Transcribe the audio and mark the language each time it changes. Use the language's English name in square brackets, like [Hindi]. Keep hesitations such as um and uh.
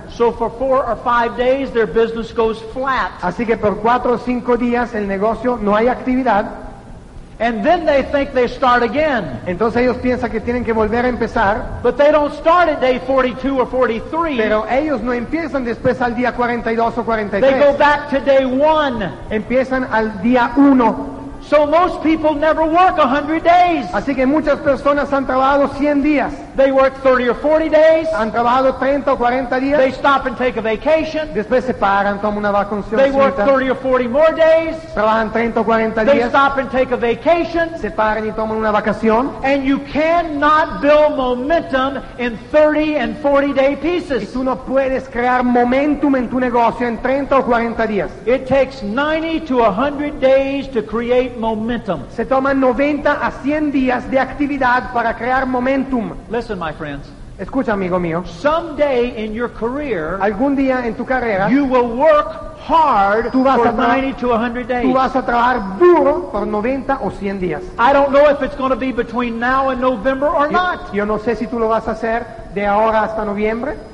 [English] So for four or five days their business goes flat. [Spanish] Así que por cuatro o cinco días el negocio no hay actividad. [English] And then they think they start again. [Spanish] Entonces ellos piensan que tienen que volver a empezar. [English] But they don't start at day 42 or 43. [Spanish] Pero ellos no empiezan después al día 42 o 43. [English] They go back to day 1. [Spanish] Empiezan al día uno. [English] So most people never work 100 days. [Spanish] Así que muchas personas han trabajado 100 días. [English] They work 30 or 40 days. [Spanish] Han trabajado 30 o 40 días. [English] They stop and take a vacation. [Spanish] Después se paran, toman una vacación. [English] They work 30 or 40 more days. [Spanish] Trabajan 30 o 40 días. [English] They stop and take a vacation. [Spanish] Se paran y toman una vacación. [English] And you cannot build momentum in 30 and 40 day pieces. [Spanish] no puedes crear momentum en tu negocio en 30 o 40 días. [English] It takes 90 to 100 days to create momentum. [Spanish] Se toman 90 a 100 días de actividad para crear momentum. [English] Listen, my friends. [Spanish] Escucha, amigo mío. [English] Some day in your career, [Spanish] algún día en tu carrera, [English] you will work hard tú for 90 to 100 days. [Spanish] Tú vas a trabajar duro por 90 o 100 días. [English] I don't know if it's going to be between now and November or not. [Spanish] Yo no sé si tú lo vas a hacer de ahora hasta noviembre.